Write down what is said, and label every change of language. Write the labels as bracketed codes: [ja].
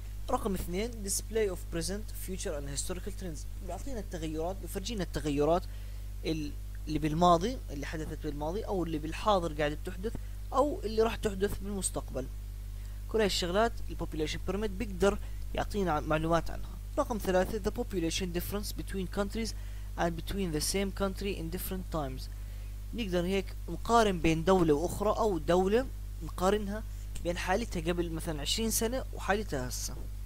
[ar] رقم اثنين [en] display of present future and historical trends، [ar] بيعطينا التغيرات، بفرجينا التغيرات اللي بالماضي اللي حدثت بالماضي او اللي بالحاضر قاعدة بتحدث او اللي راح تحدث بالمستقبل. كل هاي الشغلات الـ population pyramid بيقدر يعطينا معلومات عنها. رقم ثلاثة [en] the population difference between countries and between the same country in different times. [ar] نقدر هيك نقارن بين دولة وأخرى أو دولة نقارنها بين حالتها قبل مثلا 20 سنة وحالتها هسا.